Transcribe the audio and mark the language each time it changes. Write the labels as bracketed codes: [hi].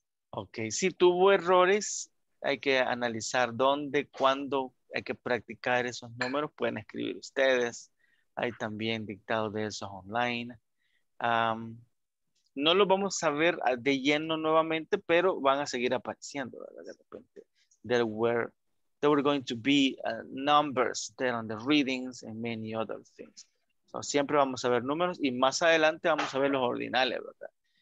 [es] Okay, si tuvo errores, hay que analizar dónde, cuándo, hay que practicar esos números. Pueden escribir ustedes. Hay también dictado de esos online. No lo vamos a ver de lleno nuevamente, pero van a seguir apareciendo, ¿verdad? De repente. [en] There were going to be numbers there on the readings and many other things. [es] So, siempre vamos a ver números y más adelante vamos a ver los ordinales, ¿verdad?